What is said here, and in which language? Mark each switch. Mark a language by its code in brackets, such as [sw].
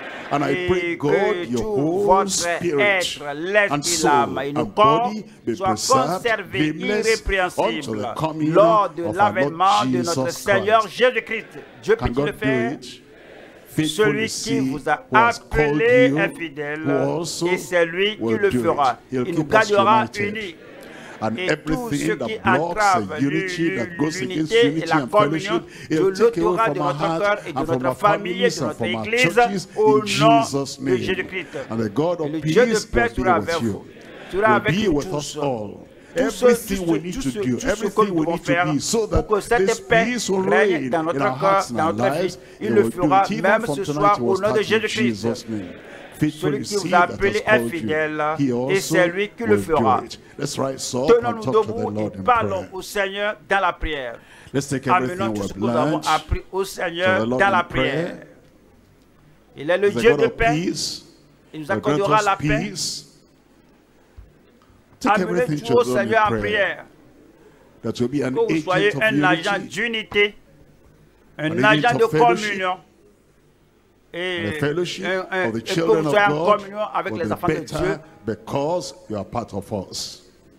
[en] And I pray God your whole spirit and soul and body be preserved blameless unto the coming of our Lord Jesus Christ. Can God do it? [fr] Celui qui vous a appelé infidèle, et c'est lui qui le fera. Il nous gardera unis. [en] And everything that blocks the unity, that goes against unity and fellowship, it will take away from our heart and from our families and from our churches in Jesus' name. And the God of peace will be with you. Will be with us all. Everything we need to do, everything we need to be, so that this peace will reign in our hearts and our lives, it will do it even from tonight to start in Jesus' name. [fr] Celui qui vous a appelé infidèle, et c'est lui qui le fera. Tenons-nous debout et parlons au Seigneur dans la prière. Amenons tout ce que nous avons appris au Seigneur dans la prière. Il est le Dieu de paix. Il nous accordera la paix. Amenons tout au Seigneur en prière. Que vous soyez un agent d'unité, un agent de communion. [en] And the fellowship of the children of God will be better because you are part of us.